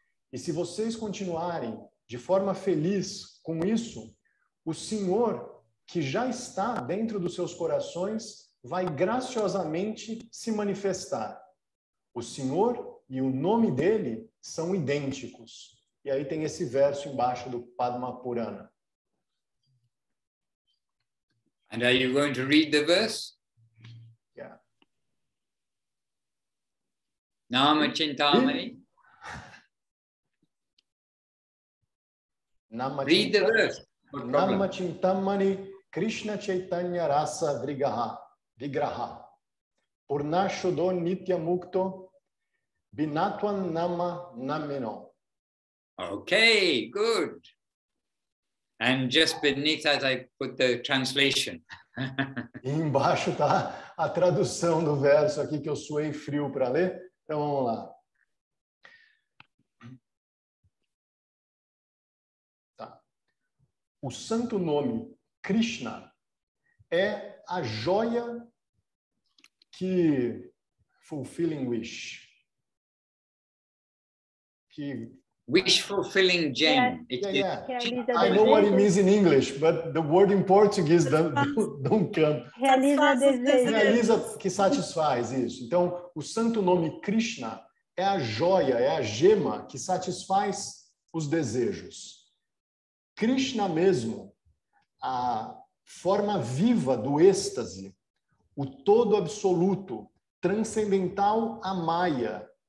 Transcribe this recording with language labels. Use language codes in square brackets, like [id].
[pt] E se vocês continuarem de forma feliz com isso, o Senhor, que já está dentro dos seus corações, vai graciosamente se manifestar. O Senhor e o nome dele são idênticos. E aí tem esse verso embaixo do Padma Purana. [en] And are you going to read the verse? [sa] Nama Chintamani. [en] Read the verse. [sa] Nama Chintamani Krishna Chaitanya Rasa Vrigaha Vigraha Purnashodo Nitya Mukto Binatwan Nama Namino. [en] Okay, good. And just beneath that I put the translation. [pt] Embaixo está a tradução do verso aqui que eu suei frio para ler. Então, vamos lá. Tá. O santo nome Krishna é a joia que... [en] Fulfilling wish. Que... Wish fulfilling gem. Yeah. I know what it means in English, but the word in Portuguese don't come. [pt] Realiza desejo. Realiza que satisfaz isso. Então, o santo nome Krishna é a joia, é a gema que satisfaz os desejos. Krishna mesmo, a forma viva do êxtase, o todo absoluto, transcendental a Maya.